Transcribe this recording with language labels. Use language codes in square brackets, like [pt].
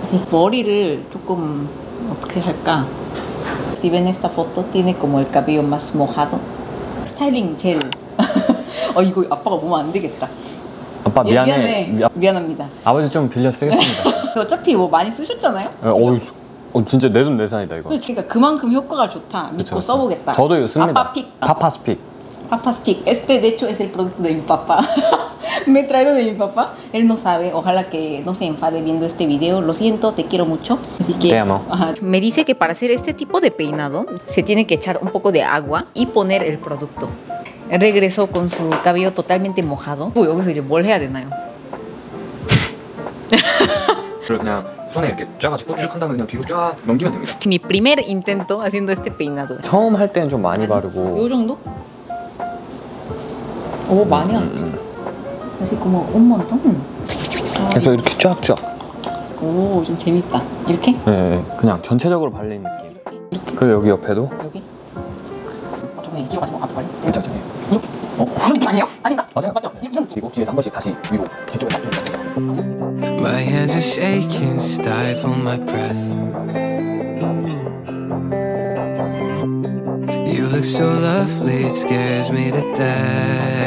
[ko] 머리를 조금 어떻게 할까? [es] Si ven esta foto, tiene como el cabello más mojado. [ko] 스타일링 젤. 어, 이거 아빠가 보면 안 되겠다. 아빠 미안해. 미안합니다. 아버지 좀 빌려 쓰겠습니다. 어차피 뭐 많이 쓰셨잖아요? 어, 진짜 내 돈 내 산이다 이거. 그러니까 그만큼 효과가 좋다. 믿고 그쵸. 써보겠다. 저도 이거 씁니다. 아빠 픽. 파파스 픽. 파파스 픽. [es] Este de hecho es el producto de mi papá. Me he traído de mi papá. Él no sabe. Ojalá que no se enfade viendo este video. Lo siento, te quiero mucho. Así que, te amo. Me dice que para hacer este tipo de peinado se tiene que echar un poco de agua y poner el producto. Regresó con su cabello totalmente mojado. Uy, ¿qué sé yo? ¿Qué hago? Pero, mi primer intento haciendo este peinado. [ko] 처음 할 때는 좀 많이 바르고. 이 정도? 오, 많이 안 돼. 그래서 [es] como un montón. [ko] 그래서 이렇게 쫙쫙. 오, 좀 재밌다. 이렇게? 네, 그냥 전체적으로 발린 느낌. 이렇게? 그리고 여기 옆에도? 여기? 좀 이쪽 가지고 앞으로 발려. 괜찮아, 괜찮아. 이렇게? 어? 그런 게 아니에요? 아닌가? 맞아요, 맞죠? 이렇게? 그리고 뒤에서 한 번씩 다시 위로 뒤쪽에 딱 좀. [en] My hands are shaking, stifle my breath. You look so lovely, it scares me to death.